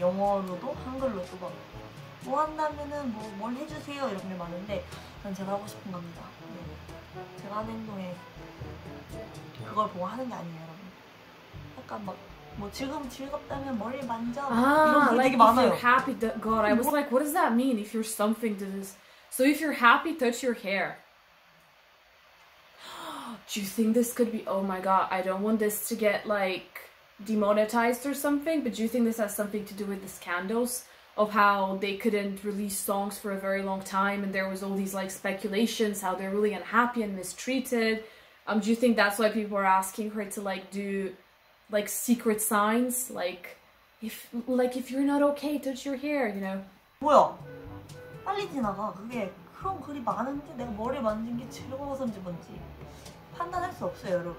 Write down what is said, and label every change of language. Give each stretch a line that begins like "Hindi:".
Korean: 영어로도 한글로도 많고. 뭐 한다면은 뭐 뭘 해주세요 이런 게 많은데 그냥 제가 하고 싶은 겁니다. 제가 하는 행동에 그걸 보고 하는 게 아니에요.
English: 아, if you're happy, God, I was like, what does that mean? If you're something to this, so if you're happy, touch your hair. Do you think this could be? Oh my God, I don't want this to get like demonetized or something. But do you think this has something to do with the scandals of how they couldn't release songs for a very long time, and there was all these like speculations how they're really unhappy and mistreated? Do you think that's why people are asking her to like do? Like secret signs, like if you're not okay, touch your hair, you know.
Korean: 뭐야? 빨리 지나가. 그게 그런 글이 많은데 내가 머리 만진 게 즐거워서인지 뭔지 판단할 수 없어요, 여러분.